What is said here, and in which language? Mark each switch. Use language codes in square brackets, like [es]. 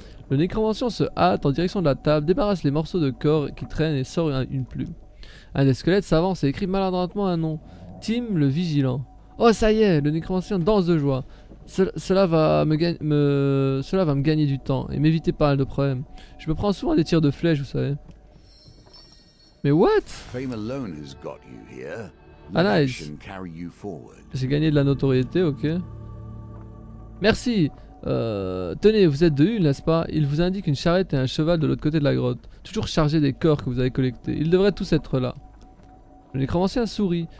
[fr] Le nécromancien se hâte en direction de la table, débarrasse les morceaux de corps qui traînent et sort une plume. Un des squelettes s'avance et écrit maladroitement un nom. Tim le vigilant. Oh ça y est, le nécromancien danse de joie. Cela va me gagner du temps et m'éviter pas mal de problèmes. Je me prends souvent des tirs de flèche, vous savez. Mais [en] what? Fame alone has got you here. Ah nice. Carry you forward. [fr] J'ai gagné de la notoriété, ok. Merci. Tenez, vous êtes de Hul, n'est-ce pas? Il vous indique une charrette et un cheval de l'autre côté de la grotte, toujours chargé des corps que vous avez collectés. Ils devraient tous être là. Le nécromancien sourit.